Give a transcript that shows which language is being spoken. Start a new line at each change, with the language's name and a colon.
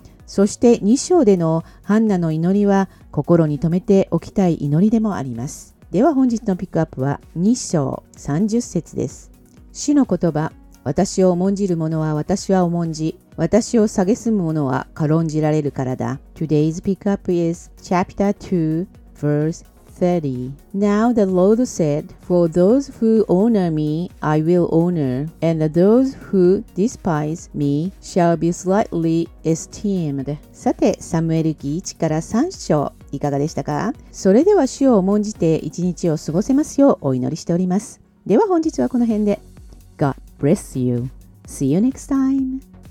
Japanese: そして2章でのハンナの祈りは心に留めておきたい祈りでもあります。では本日のピックアップは2章30節です。主の言葉、私を重んじる者は私は重んじ、私を蔑む者は軽んじられるからだ。
English: Today's pick up is chapter 2 verse 30. Now the Lord said, For those who honor me, I will honor, and those who despise me shall be slightly esteemed.
Japanese: さて、サムエル記1から3章、いかがでしたか。それでは主を重んじて一日を過ごせますようお祈りしております。では本日はこの辺で。
English: God bless you. See you next time.